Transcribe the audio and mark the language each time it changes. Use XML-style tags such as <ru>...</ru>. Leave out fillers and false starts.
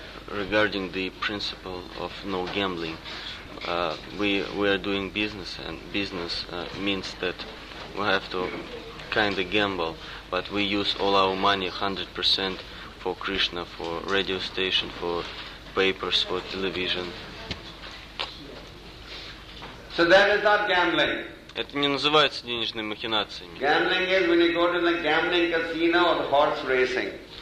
<en>Regarding the principle of no gambling, we are doing business, and business means that we have to kind of gamble. But we use all our money 100% for Krishna, for radio station, for papers, for television. So that is not gambling.</en> <ru>Это не называется денежными махинациями.</ru> <en>Gambling is when you go to the gambling casino or horse racing.</en>